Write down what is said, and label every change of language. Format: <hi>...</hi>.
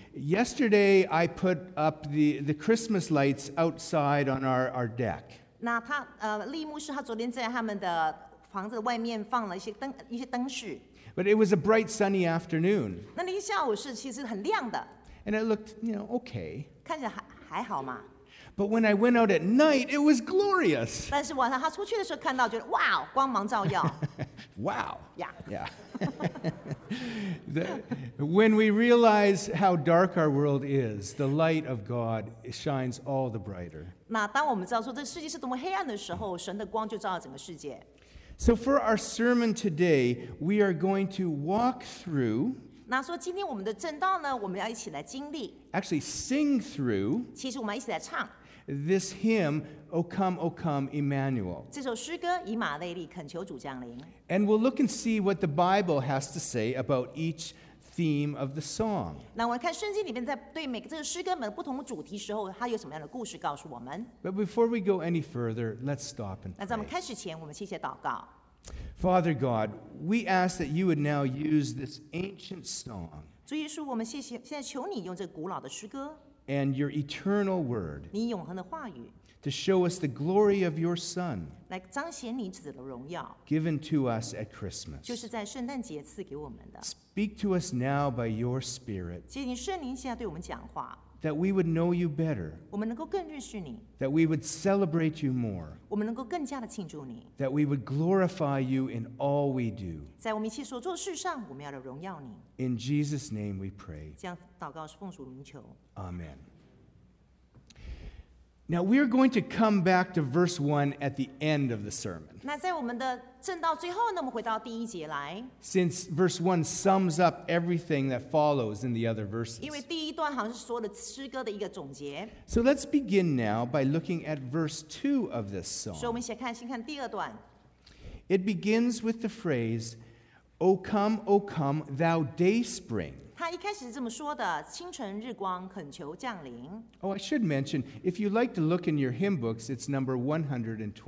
<en>Yesterday, I put up the Christmas lights outside on our deck.</en> <zh>利牧师他昨天在他们的房子外面放了一些灯饰。</zh> <en>But it was a bright, sunny afternoon.</en> <zh>那天下午是其实很亮的。</zh> <en>And it looked, you know, okay.</en> <zh>看起来还好嘛。</zh> <en>But when I went out at night, it was glorious.</en> <zh>但是晚上他出去的时候看到，觉得 wow, 光芒照耀。</zh> <en>Wow. Yeah. Yeah. When we realize how dark our world is, the light of God shines all the brighter.</en> <zh>那当我们知道说这世界是多么黑暗的时候，神的光就照耀整个世界。</zh> <en>So for our sermon today, we are going to walk through.</en> <zh>那说今天我们的正道呢，我们要一起来经历。</zh> <en>Actually, sing through.</en> <zh>其实我们一起来唱。</zh> <en>This hymn, O Come, Emmanuel.</en> <zh>这首诗歌，以马内利，恳求主降临。</zh> <en>And we'll look and see what the Bible has to say about each theme of the song.</en> <zh>那我们看圣经里面，在对每个这个诗歌们不同主题时候，它有什么样的故事告诉我们。</zh> <en>But before we go any further, let's stop and pray.</en> <zh>那在我们开始前，我们先祷告。</zh> <en>Father God, we ask that you would now use this ancient song.</en> <zh>主耶稣，我们现在求你用这古老的诗歌。</zh> <en>And your eternal word</en> <zh>你永恒的话语,</zh> <en>to show us the glory of your Son</en> <zh>来彰显你子的荣耀,</zh> <en>given to us at Christmas.</en> <zh>就是在圣诞节赐给我们的,</zh> <en>speak to us now by your Spirit</en> <zh>借你圣灵现在对我们讲话,</zh> <en>that we would know you better,</en> <zh>我们能够更认识你,</zh> <en>that we would celebrate you more,</en> <zh>我们能够更加的庆祝你,</zh> <en>that we would glorify you in all we do.</en> <zh>在我们一切所做事上, 我们要的荣耀你,</zh> <en>in Jesus' name we pray.</en> <zh>这样祷告是奉主名求。</zh> <en>Amen. Now we are going to come back to verse 1 at the end of the sermon.</en> <zh>那在我们的正道最后呢，我们回到第一节来。</zh> <en>Since verse 1 sums up everything that follows in the other verses.</en> <zh>因为第一段好像是所有的诗歌的一个总结。</zh> <en>So let's begin now by looking at verse 2 of this song.</en> <zh>所以我们先看第二段。</zh> <en>It begins with the phrase, O come, thou dayspring.</en> <zh>他一开始是这么说的，清晨日光恳求降临。</zh> <en>Oh, I should mention, if you'd like to look in your hymn books, it's number 123.</en>